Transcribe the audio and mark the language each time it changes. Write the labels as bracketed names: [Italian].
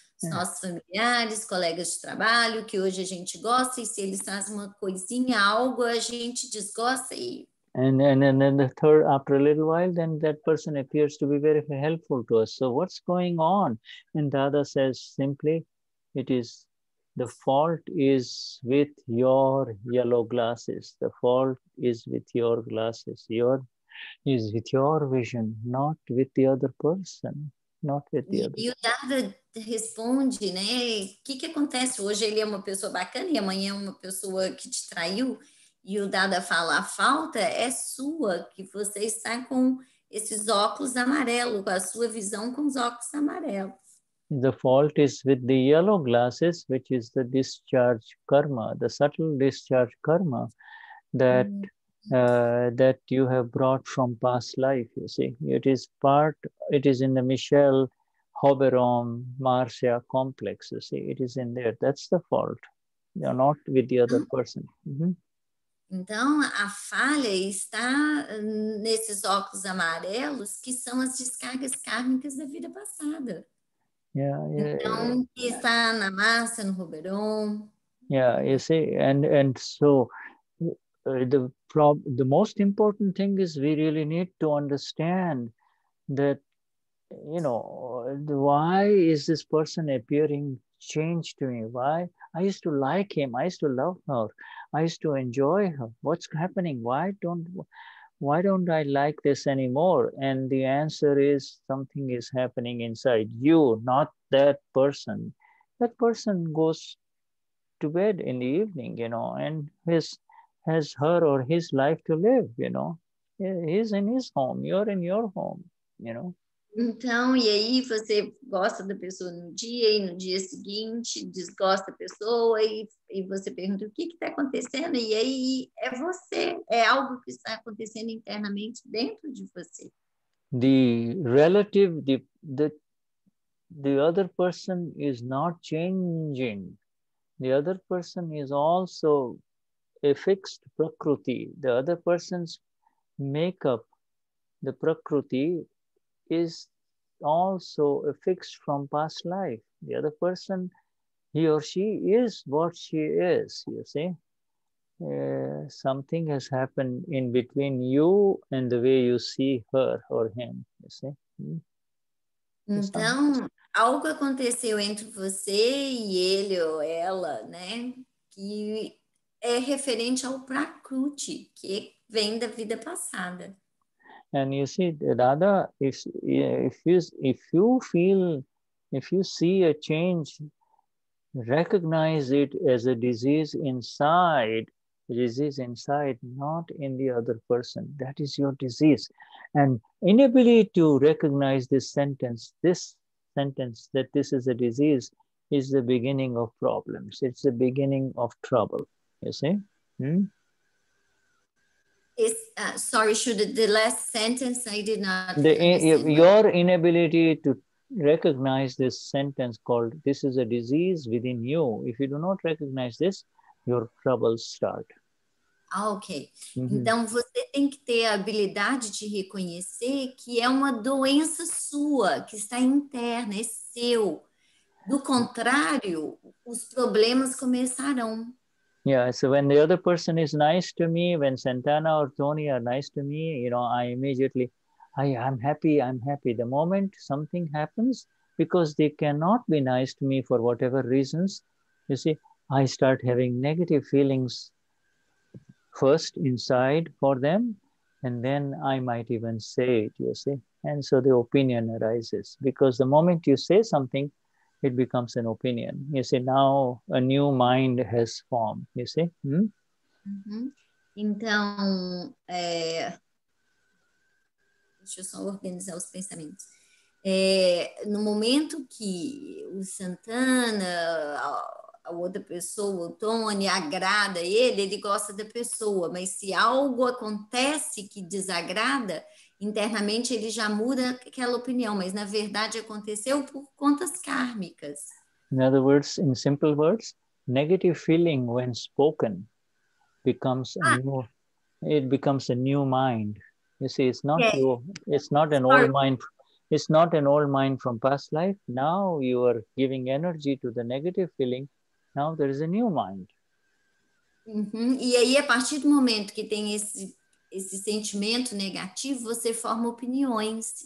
[Portuguese] nossos familiares, colegas de trabalho, que hoje a gente gosta, e se eles trazem uma coisinha, algo, a gente desgosta e... [English] And then the third, after a little while, then that person appears to be very helpful to us. So what's going on? And Dada says simply, it is, the fault is with your yellow glasses. The fault is with your glasses. Your is with your vision, not with the other person. Not with the other. [Portuguese] E o Dada responde, né? O que acontece? Hoje ele é uma pessoa bacana e amanhã é uma pessoa que te traiu. E o Dada fala, a falta é sua, que você está com esses óculos amarelos, com a sua visão com os óculos amarelos. [English] The fault is with the yellow glasses, which is the discharge karma, the subtle discharge karma that that you have brought from past life, you see. It is in the Michelle Hoberon Marcia complex, you see. It is in there. That's the fault. You're not with the other person. Mm-hmm. [Portuguese] Então, a falha está nesses óculos amarelos que são as descargas kármicas da vida passada. Então, está na massa, no Roberon. [English] Yeah, you see, the most important thing is we really need to understand that, you know, why is this person appearing changed to me? Why? I used to like him. I used to love her. I used to enjoy her. What's happening? Why don't I like this anymore? And the answer is something is happening inside you, not that person. That person goes to bed in the evening, you know, and has her or his life to live, you know. He's in his home. You're in your home, you know. [Portuguese] Então, e aí você gosta da pessoa no dia e no dia seguinte desgosta a pessoa e você pergunta o que está acontecendo e aí é você, é algo que está acontecendo internamente dentro de você. [English] The relative, the other person is not changing. The other person is also a fixed prakriti. The other person's makeup, the prakriti, is also affixed from past life. The other person, he or she is what she is, you see. Something has happened in between you and the way you see her or him, you see. [Portuguese] Então, algo aconteceu entre você e ele ou ela, né? Que é referente ao prakruti, que vem da vida passada. [English] And you see, Dada, if you see a change, recognize it as a disease inside, not in the other person. That is your disease. And inability to recognize this sentence, that this is a disease, is the beginning of problems. It's the beginning of trouble, you see? Hmm? Sorry, Shuddha, the last sentence I did not... Your inability to recognize this sentence called this is a disease within you. If you do not recognize this, your troubles start. Ah, ok. Mm-hmm. [Portuguese] Então, você tem que ter a habilidade de reconhecer que é uma doença sua, que está interna, é seu. Do contrário, os problemas começarão. [English] Yeah, so when the other person is nice to me, when Santana or Tony are nice to me, you know, I'm happy. The moment something happens, because they cannot be nice to me for whatever reasons, you see, I start having negative feelings first inside for them, and then I might even say it, you see. And so the opinion arises, because the moment you say something, it becomes an opinion. You see, now a new mind has formed, you see? Hmm? [Portuguese] Uh-huh. Então, deixa eu só organizar os pensamentos. No momento que o Santana, a outra pessoa, o Tony, agrada ele, ele gosta da pessoa, mas se algo acontece que desagrada, internamente ele já muda aquela opinião, mas na verdade aconteceu por contas kármicas. [English] In other words, in simple words, negative feeling when spoken becomes it becomes a new mind. You see, it's not an old mind. It's not an old mind from past life. Now you are giving energy to the negative feeling. Now there is a new mind. Uhum. [Portuguese] E aí, a partir do momento que tem esse sentimento negativo, você forma opiniões.